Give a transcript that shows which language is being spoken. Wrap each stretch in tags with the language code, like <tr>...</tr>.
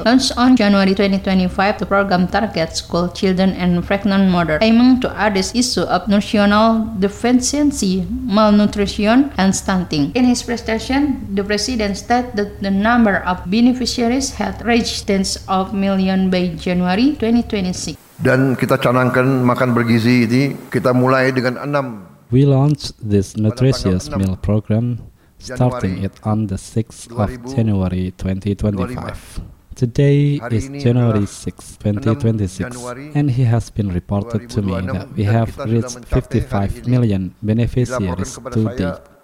<en>Launched on January 2025, the program targets school children and pregnant mothers, aiming to address issue of nutritional deficiency, malnutrition, and stunting. In his presentation, the president stated that the number of beneficiaries had reached tens of million by January 2026.</en> <id>Dan kita canangkan makan bergizi ini, kita mulai dengan 6.</id> <en>We launched this nutritious meal program starting it on the 6th of January 2025. Today is January 6, 2026 and he has been reported to me that we have reached 55 million beneficiaries to date.</en>